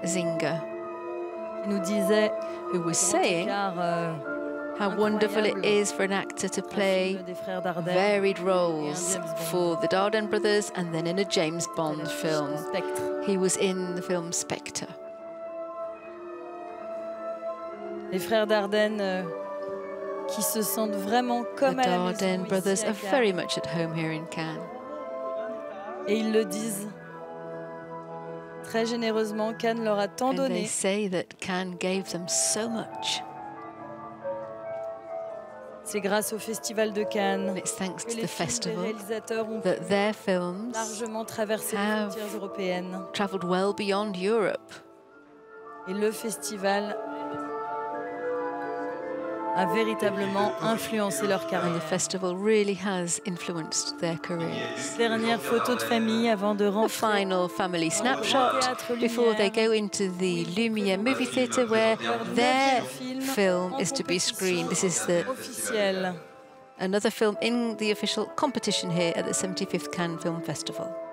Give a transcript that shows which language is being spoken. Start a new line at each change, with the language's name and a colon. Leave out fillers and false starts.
French: Zinger. Nous disait,
English: who was saying how wonderful it is for an actor to play varied roles for the Dardenne brothers and then in a James Bond film. He was in the film Spectre.
French: Les frères Dardenne qui se sentent vraiment comme
English: the Dardenne brothers are very much at home here in Cannes.
French: Et ils le disent. Très généreusement, Cannes leur a tant donné.
English: And they say that Cannes gave them so much.
French: C'est grâce au Festival de Cannes.
English: It's thanks to the festival that their films
French: largement traversé les frontières européennes.
English: Traveled well beyond Europe.
French: Et le festival a véritablement influencé leur carrière.
English: And the festival really has influenced their careers.
French: Dernière photo de famille avant de rentrer.
English: A final family snapshot before they go into the Lumière movie theater where their film is to be screened. This is another film in the official competition here at the 75th Cannes Film Festival.